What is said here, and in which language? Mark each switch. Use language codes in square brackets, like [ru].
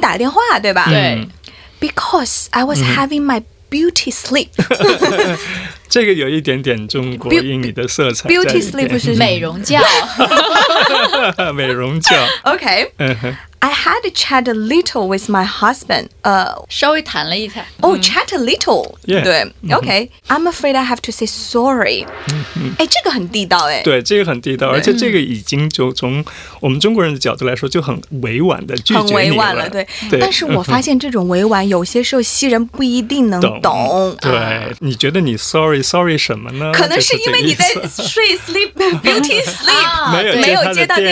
[zh] 这个也很地道，对不对？对对，非常地道。他是给你打电话，对吧？对。 [en] Because I was having my beauty sleep. [zh] 这个有一点点中国英语的色彩。 [en] Beauty sleep [zh] 是美容觉。美容觉。 [en] Okay. I had a chat a little with my husband. [zh] 稍微谈了一谈。 [en] Oh, chat a little. Yeah. [zh] 对。 [en] Okay. I'm afraid I have to say sorry. [zh] 哎，这个很地道，哎。对，这个很地道，而且这个已经就从我们中国人的角度来说就很委婉的拒绝。很委婉了，对。但是我发现这种委婉有些时候西人不一定能懂。对，你觉得你 [en] sorry sorry [zh] 什么呢？可能是因为你在睡 [en] sleep beauty sleep，